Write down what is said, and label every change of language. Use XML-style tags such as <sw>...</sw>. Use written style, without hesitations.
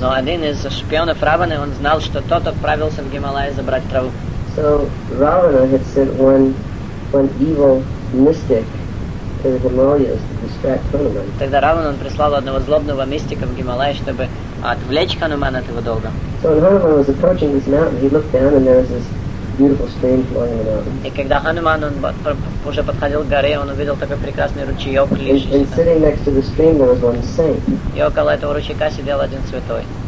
<ru>Но один из шпионов Раваны, он знал, что тот отправился в Гималаи забрать траву.</ru> <en>So Ravana had sent one evil mystic to the Himalayas to distract Hanuman.</en> <ru>Тогда Раванан прислал одного злобного мистика в Гималаи, чтобы отвлечь Хануман от его долга.</ru> <en>So when Hanuman was approaching this mountain, he looked down and there was this beautiful stream flowing around.</en> <ru>И когда Хануман уже подходил к горе, он увидел такой прекрасный ручеек, лежащий.</ru> <en>And sitting next to the stream there was one saint.</en> <ru>И около этого ручейка сидел один святой.</ru>